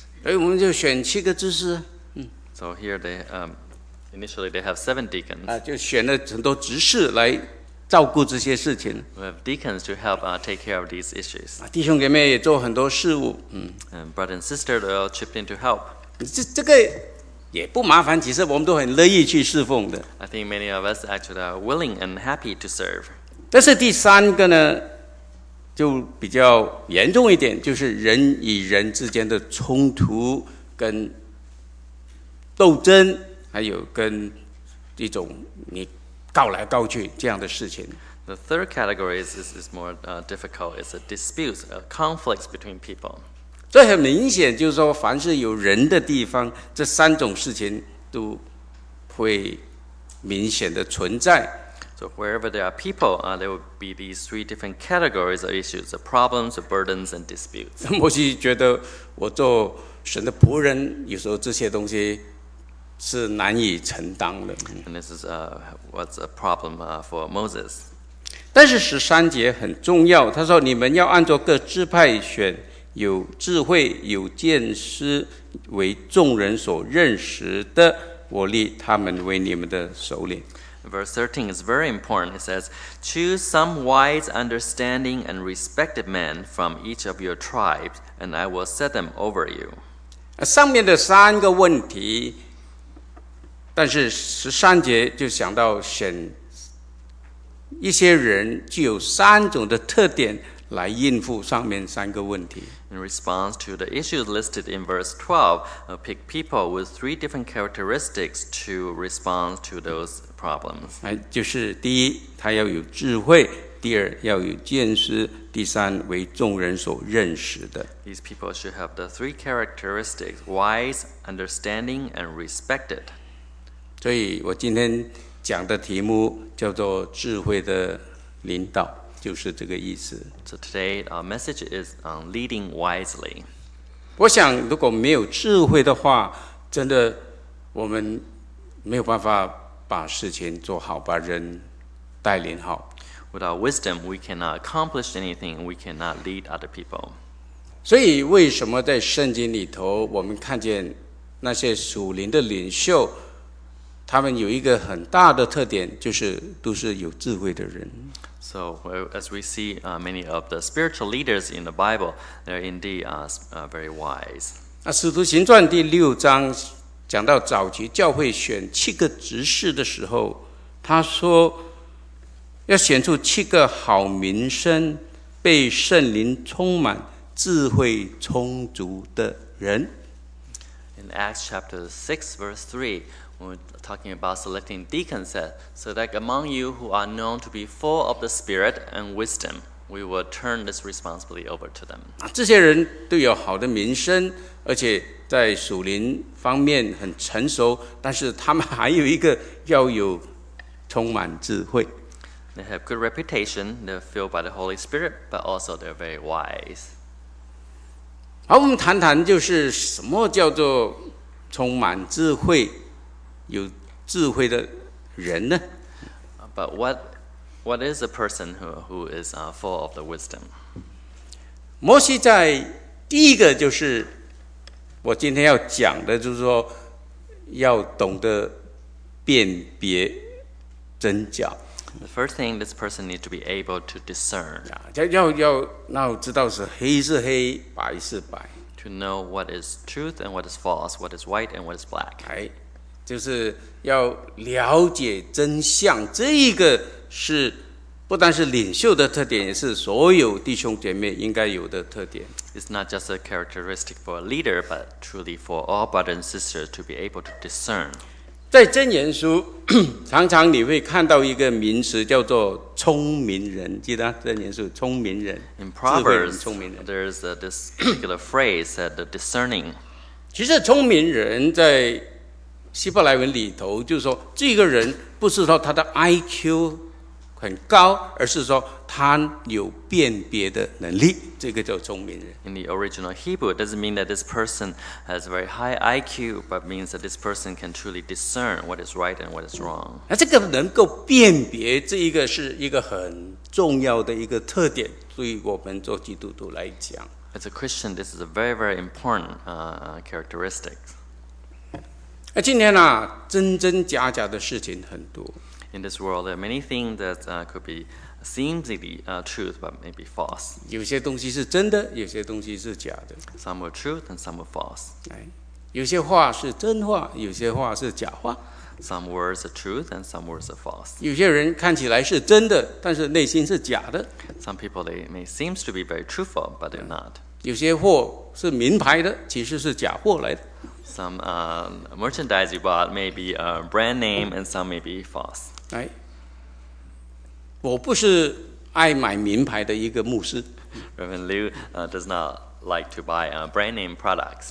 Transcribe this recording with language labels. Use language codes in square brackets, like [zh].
[zh] 所以我们就选七个执事。 [en] So here they initially, they have 7 deacons. [zh] 就选了很多执事来照顾这些事情。 [en] We have deacons to help take care of these issues. [zh] 弟兄姐妹也做很多事务。 [en] And brother and sister, they all chipped in to help. [zh] 这个也不麻烦，其实我们都很乐意去侍奉的。 [en] I think many of us actually are willing and happy to serve. [zh] 但是第三个呢，就比较严重一点，就是人与人之间的冲突跟斗争。还有跟一种你告来告去这样的事情。 [en] The third category is more difficult. It's a dispute, a conflict between people. [zh] 这很明显就是说，凡是有人的地方，这三种事情都会明显的存在。 [en] So wherever there are people, there will be these three different categories of issues: the problems, the burdens, and disputes. [zh] 摩西觉得我做神的仆人，有时候这些东西是难以承担的。 [en] And this is what's a problem for Moses. [zh] 但是十三节很重要，他说你们要按照各支派选有智慧、有见识为众人所认识的，我立他们为你们的首领。 [en] Verse 13 is very important. It says, "Choose some wise, understanding, and respected men from each of your tribes, and I will set them over you." [zh] 上面的三个问题。但是十三节就想到选一些人具有三种的特点来应付上面三个问题。 [en] In response to the issues listed in verse 12, pick people with three different characteristics to respond to those problems. [zh] 就是第一，他要有智慧；第二，要有见识；第三，为众人所认识的。 [en] These people should have the three characteristics: wise, understanding, and respected. [zh] 所以我今天讲的题目叫做智慧的领导，就是这个意思。 [en] So today our message is on leading wisely. [zh] 我想如果没有智慧的话，真的我们没有办法把事情做好，把人带领好。 [en] Without wisdom, we cannot accomplish anything. We cannot lead other people. [zh] 所以为什么在圣经里头我们看见那些属灵的领袖，他们有一个很大的特点，就是都是有智慧的人。 [en] So, as we see many of the spiritual leaders in the Bible, they're indeed very wise. [zh] 使徒行传第六章讲到早期教会选七个执事的时候，他说要选出七个好名声、被圣灵充满、智慧充足的人。 [en] In Acts chapter 6, verse 3,we're talking about selecting deacons, so that among you who are known to be full of the Spirit and wisdom, we will turn this responsibility over to them. [zh] 这些人都有好的名声，而且在属灵方面很成熟，但是他们还有一个要有充满智慧。 [en] They have good reputation, they're filled by the Holy Spirit, but also they're very wise. [zh] 好，我们谈谈就是什么叫做充满智慧。有智慧的人呢？ [en] But what is a person who is full of the wisdom? [zh] 摩西在第一个就是我今天要讲的，就是说要懂得辨别真假。 [en] The first thing this person needs to be able to discern. [zh] 要知道是黑是黑，白是白。 [en] To know what is truth and what is false, what is white and what is black. [zh] 就是要了解真相，这一个是不单是领袖的特点，也是所有弟兄姐妹应该有的特点。 [en] It's not just a characteristic for a leader, but truly for all brothers and sisters to be able to discern. [zh] 在箴言书，常常你会看到一个名词叫做聪明人，记得箴言书聪明人。 [en] In Proverbs, [zh] 聪明人。 [en] There's this particular phrase that the discerning. [zh] 其实聪明人在希伯来文里头就是说，这个人不是说他的 IQ 很高，而是说他有辨别的能力，这个叫聪明人。 [en] In the original Hebrew, it doesn't mean that this person has very high IQ, but means that this person can truly discern what is right and what is wrong. [zh] 那这个能够辨别，这一个是一个很重要的一个特点，对于我们做基督徒来讲。 [en] As a Christian, this is a very, very important characteristic. [zh] 今天啊，真真假假的事情很多。 [en] In this world, there are many things that could be seemingly truth, but maybe false. [zh] 有些东西是真的，有些东西是假的。 [en] Some are truth and some are false. [zh] 有些话是真话，有些话是假话。 [en] Some words are truth and some words are false. [zh] 有些人看起来是真的，但是内心是假的。 [en] Some people they may seem to be very truthful, but they're not. [zh] 有些货是名牌的，其实是假货来的。 [en] Some merchandise you bought may be a brand name, and some may be false. [zh] 我不是爱买名牌的一个牧师。 [en] Reverend Liu does not like to buy brand name products.